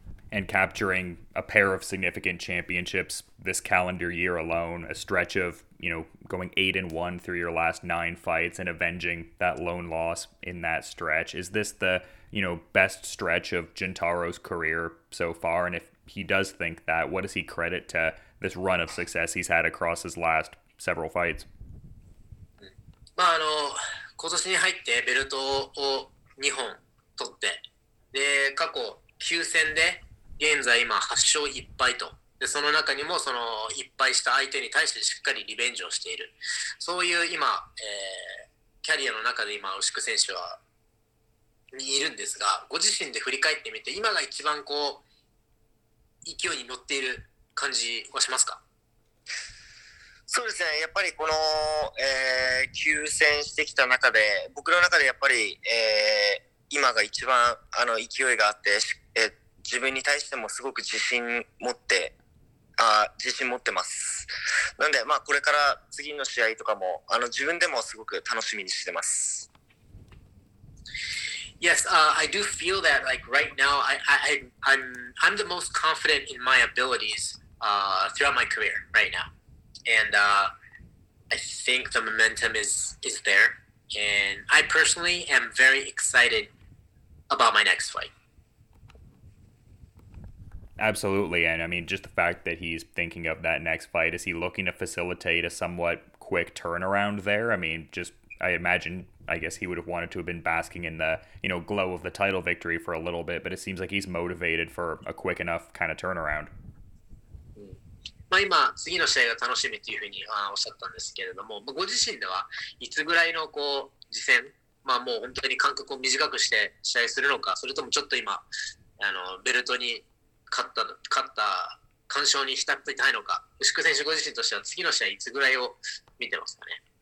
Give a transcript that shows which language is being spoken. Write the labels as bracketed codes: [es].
[en] And capturing a pair of significant championships this calendar year alone, a stretch of, going 8-1 through your last 9 fights and avenging that lone loss in that stretch. Is this the, best stretch of Jintaro's career so far? And if he does think that, what does he credit to this run of success he's had across his last several fights? [ja] まあ今年に入ってベルトを2本取って、で過去9戦で現在今8勝1敗と、でその中にもその1敗した相手に対してしっかりリベンジをしている、そういう今、キャリアの中で今牛久選手はにいるんですが、ご自身で振り返ってみて今が一番こう勢いに乗っている感じはしますか？そうですね、やっぱりこの、急戦してきた中で僕の中でやっぱり、今が一番勢いがあって、自分に対してもすごく自信持ってます。なんで、まあ、これから次の試合とかも自分でもすごく楽しみにしてます。 [en] Yes, I do feel that like right now I'm the most confident in my abilities throughout my career right now. And I think the momentum is there. And I personally am very excited about my next fight. Absolutely. And I mean, just the fact that he's thinking of that next fight, is he looking to facilitate a somewhat quick turnaround there? I mean, just I imagine, I guess he would have wanted to have been basking in the, glow of the title victory for a little bit, but it seems like he's motivated for a quick enough kind of turnaround. [ja] まあ今、次の試合が楽しみというふうにおっしゃったんですけれども、ご自身ではいつぐらいのこう次戦、まあもう本当に間隔を短くして試合するのか、それともちょっと今、ベルトに勝った干渉に浸っていたいのか、牛久選手ご自身としては次の試合いつぐらいを見てますかね。